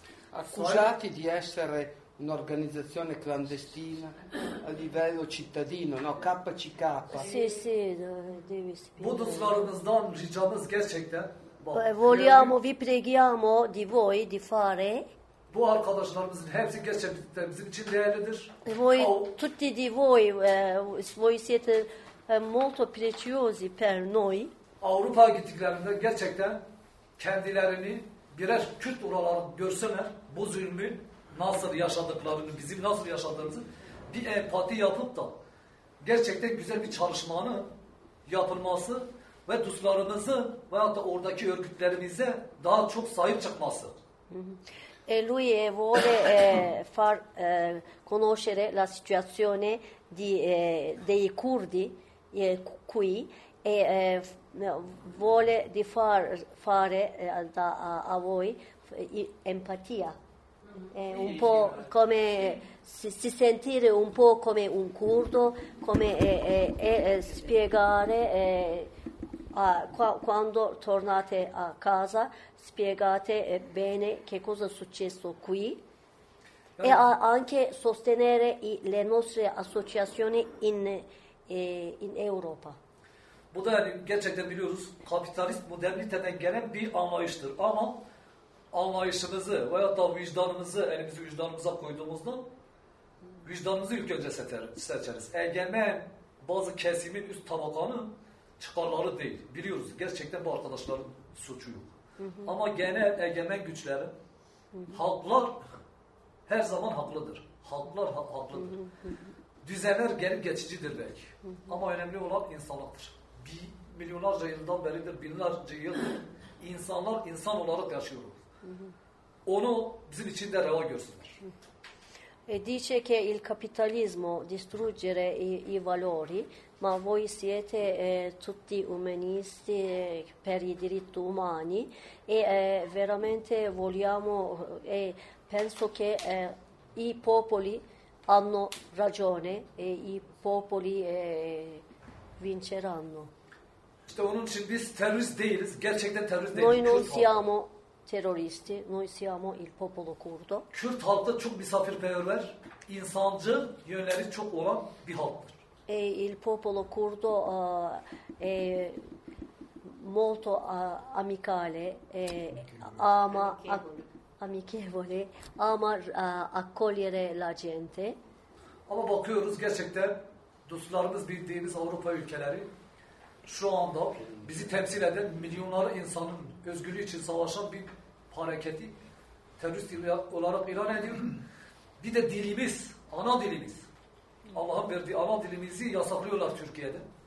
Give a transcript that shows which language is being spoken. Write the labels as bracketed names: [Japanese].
[Italian] Accusati di essere un'organizzazione clandestina a livello cittadino, no? KCK. Sì, sì, devi spiegare. Vogliamo, vi preghiamo di voi di fare. [Turkish] Bu arkadaşlarımızın hepsi gerçekten bizim için değerlidir. [Italian] Voi, tutti di voi, voi siete molto preziosi per noi. [Turkish] Avrupa'ya gittiklerinde gerçekten kendilerini birer Kürt olarak görseler, bu zulmü nasıl yaşadıklarını, bizim nasıl yaşadığımızı bir empati yapıp da gerçekten güzel bir çalışmanın yapılması ve duslarımızı veyahut da oradaki örgütlerimize daha çok sahip çıkması. [Italian] Lui vuole far conoscere la situazione di dei curdi qui e vuole di far fare a voi empatia. Un po' come si sentire un po' come un curdo, come spiegare quando tornate a casa spiegate bene che cosa è successo qui e anche sostenere le nostre associazioni in Europa. [Turkish] Bu da yani gerçekten biliyoruz kapitalist moderniteden gelen bir anlayıştır. Ama anlayışımızı veya da vicdanımızı elimizi vicdanımıza koyduğumuzda vicdanımızı ilk önce seçeriz. Egemen bazı kesimin üst tabakanın çıkarları değil. Biliyoruz gerçekten bu arkadaşların suçu yok. Ama genel egemen güçlerin halklar her zaman haklıdır. Halklar haklıdır. Düzenler gelip geçicidir belki. Ama önemli olan insanlıktır. Bir milyonlarca yıldan beridir, binlerce yıldır insanlar insan olarak yaşıyoruz. Onu bizim için de reva görsünler. [Italian] Dice che il capitalismo distruggere i valori, ma voi siete tutti umanisti per i diritti umani e veramente vogliamo e penso che i popoli hanno ragione e i popoli vinceranno. [Turkish] İşte onun için biz terörist değiliz. Gerçekten terörist [Italian] noi [Turkish] değiliz. [Italian] Noi non siamo terroristi. Noi siamo il popolo curdo. [Turkish] Kürt halkı çok misafirperver, insancı yönleri çok olan bir halktır. [Italian] E il popolo curdo è molto amicale, ama amichevole, ama accogliere la gente. [Turkish] Ama bakıyoruz gerçekten dostlarımız bildiğimiz Avrupa ülkeleri şu anda bizi temsil eden milyonlar insanın özgürlüğü için savaşan bir hareketi terörist olarak ilan ediyor. Bir de dilimiz, ana dilimiz, Allah'ın verdiği ana dilimizi yasaklıyorlar Türkiye'de.